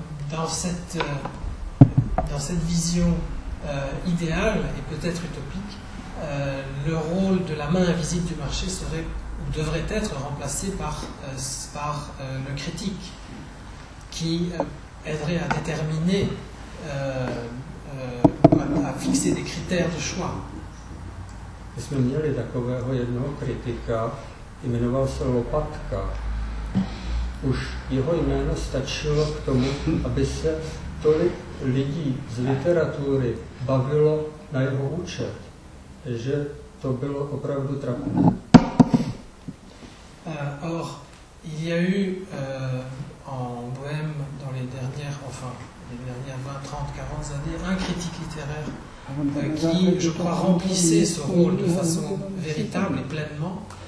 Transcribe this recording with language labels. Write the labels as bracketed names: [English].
[French] Dans cette vision idéale et peut-être utopique, le rôle de la main invisible du marché serait ou devrait être remplacé par le critique qui aiderait à déterminer a fixer des critères de choix. [Czech] My jsme měli takového jednoho kritika, jmenoval se Lopatka. Už jeho jméno stačilo k tomu, aby se tolik lidí z literatury bavilo na jeho účet, že to bylo opravdu trapné. [French] Or, il y a eu en Bohème dans les dernières, enfin, les dernières 20, 30, 40 années, un critique littéraire qui, je crois, remplissait ce rôle de façon véritable et pleinement.